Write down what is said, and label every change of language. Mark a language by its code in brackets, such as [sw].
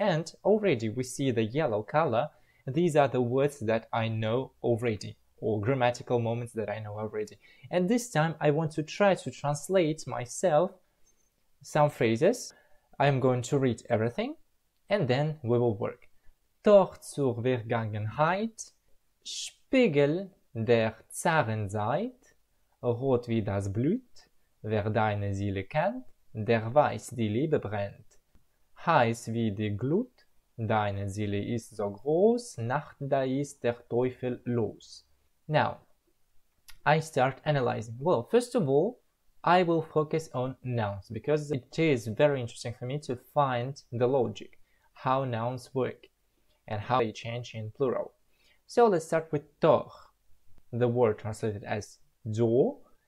[en] And already we see the yellow color. These are the words that I know already or grammatical moments that I know already. And this time I want to try to translate myself some phrases. I'm going to read everything and then we will work. [de] Tor zur Vergangenheit, Spiegel der Zarenzeit, Rot wie das blüht, wer deine Seele kennt, der weiß, die Liebe brennt. Heiß wie die Glut, deine Seele ist so groß, Nacht da ist der Teufel los. [en] Now, I start analyzing. Well, first of all, I will focus on nouns, because it is very interesting for me to find the logic, how nouns work. And how they change in plural. So let's start with Tor, the word translated as door.